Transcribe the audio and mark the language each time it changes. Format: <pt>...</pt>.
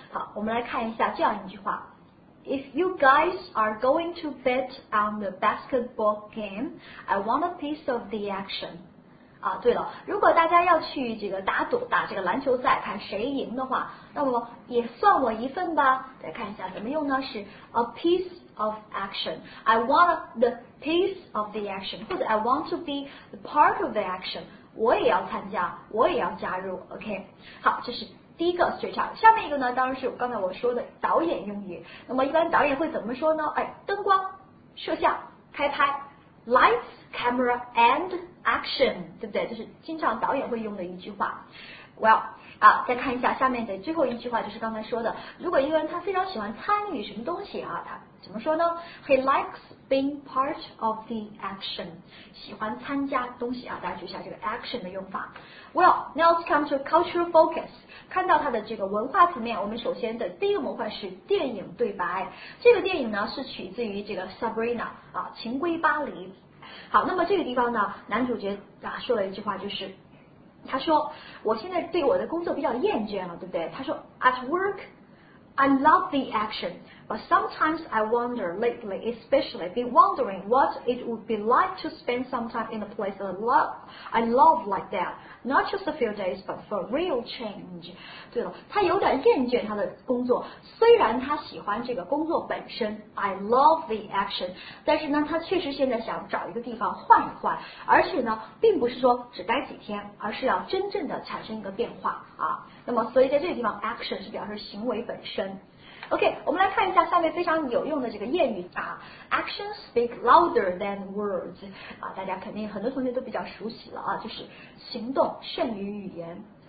<zh>好，我们来看一下这样一句话</zh> <en>：If you guys are going to bet on the basketball game, I want a piece of the action。</en> <zh>啊，对了，如果大家要去这个打这个篮球赛，看谁赢的话，那么也算我一份吧。来看一下怎么用呢？是</zh> <en>a piece of action. I want the piece of the action,</en> <zh>或者</zh> <en>I want to be the part of the action.</en> <zh>我也要参加，我也要加入。</zh> <en>OK,</en> <zh>好，这是第一个 stretch out。下面一个呢，当然是刚才我说的导演用语。那么一般导演会怎么说呢？哎，灯光、摄像、开拍 ，</zh> <en>lights, camera, and action,</en> <zh>对不对？就是经常导演会用的一句话。</zh> <en>Well,</en> <zh>啊，再看一下下面的最后一句话，就是刚才说的，如果一个人他非常喜欢参与什么东西啊，他怎么说呢 ？</zh> <en>He likes being part of the action,</en> <zh>喜欢参加东西啊。大家注意一下这个 action 的用法。</zh> <en>Well, now let's come to cultural focus.</en> <zh>看到它的这个文化层面，我们首先的第一个模块是电影对白。这个电影呢是取自于这个 Sabrina 啊，《情归巴黎》。好，那么这个地方呢，男主角啊说了一句话，就是他说我现在对我的工作比较厌倦了，对不对？他说</zh> <en>At work I love the action, but sometimes I wonder, lately especially, been wondering what it would be like to spend some time in a place that I love like that. Not just a few days, but for real change.</en> <zh>对了，他有点厌倦他的工作，虽然他喜欢这个工作本身 ，</zh> <en>I love the action，</en> <zh>但是呢，他确实现在想找一个地方换一换，而且呢，并不是说只待几天，而是要真正的产生一个变化啊。那么，所以在这个地方 ，action 是表示行为本身。</zh> <en>OK，</en> <zh>我们来看一下下面非常有用的这个谚语啊 ，</zh> <en>Actions speak louder than words，</en> <zh>啊，大家肯定很多同学都比较熟悉了啊，就是行动胜于语言。</zh>